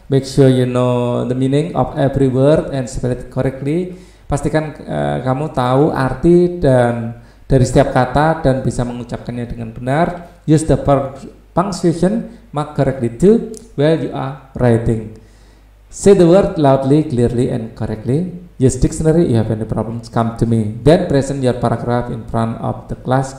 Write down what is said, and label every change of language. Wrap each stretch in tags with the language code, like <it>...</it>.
<en>Make sure you know the meaning of every word and spell it correctly.</en> <id>Pastikan kamu tahu arti dan dari setiap kata dan bisa mengucapkannya dengan benar.</id> <en>Use the punctuation mark correctly too while you are writing. Say the word loudly, clearly, and correctly. Use dictionary. If you have any problems, come to me. Then present your paragraph in front of the class.</en>